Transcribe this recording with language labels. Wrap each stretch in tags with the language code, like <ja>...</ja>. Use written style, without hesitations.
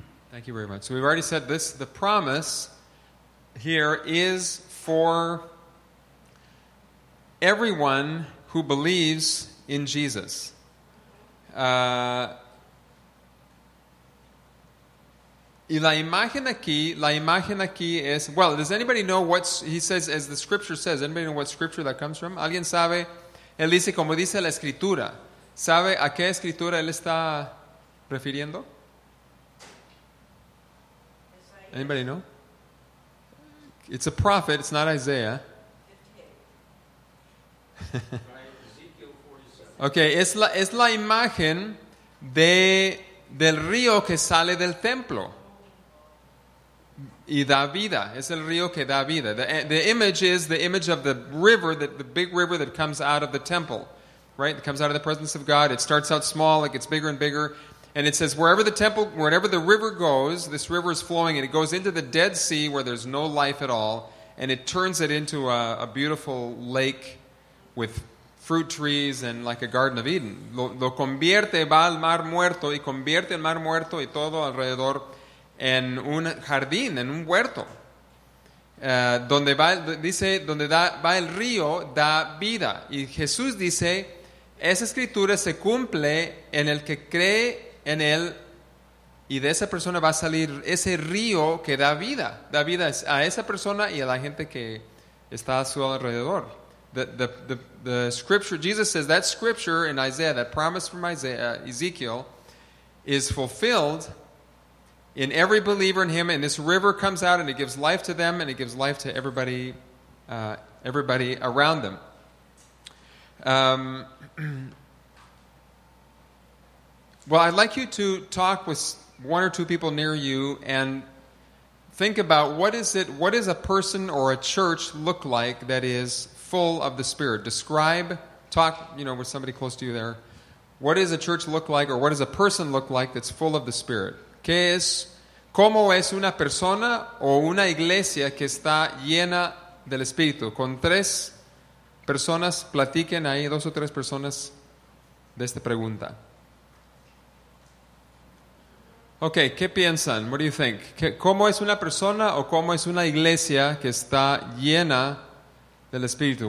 <en>Thank you very much. So we've already said this, the promise here is for everyone who believes in Jesus.</en> <es>Y la imagen aquí es,</es> <en>well, does anybody know what, he says, as the scripture says, anybody know what scripture that comes from?</en> <es>¿Alguien sabe? Él dice, como dice la escritura, ¿sabe a qué escritura él está refiriendo?</es> <en>Anybody know? It's a prophet, it's not Isaiah.</en> <es>Okay, es la imagen del río que sale del templo. Y da vida, es el río que da vida.</es> <en>The image is the image of the river, the big river that comes out of the temple, right? It comes out of the presence of God. It starts out small, it gets bigger and bigger. And it says, wherever the river goes, this river is flowing, and it goes into the Dead Sea where there's no life at all, and it turns it into a beautiful lake with fruit trees and like a Garden of Eden.</en> <es>Lo convierte, va al mar muerto, y convierte el mar muerto y todo alrededor en un jardín, en un huerto, donde va el río, da vida. Y Jesús dice, esa escritura se cumple en el que cree en él, y de esa persona va a salir ese río que da vida a esa persona y a la gente que está a su alrededor.</es> <en>The scripture, Jesus says, that scripture in Isaiah, that promise from Isaiah, Ezekiel, is fulfilled in every believer in him, and this river comes out and it gives life to them and it gives life to everybody around them. Well, I'd like you to talk with one or two people near you and think about what is a person or a church look like that is full of the Spirit? Describe, talk, you know, with somebody close to you there. What does a church look like, or what does a person look like that's full of the Spirit?</en> <es>¿Qué es? ¿Cómo es una persona o una iglesia que está llena del Espíritu? Con tres personas, platiquen ahí, dos o tres personas, de esta pregunta. Okay, ¿qué piensan?</es> <en>What do you think?</en> <es>¿Cómo es una persona o cómo es una iglesia que está llena del Espíritu?</es>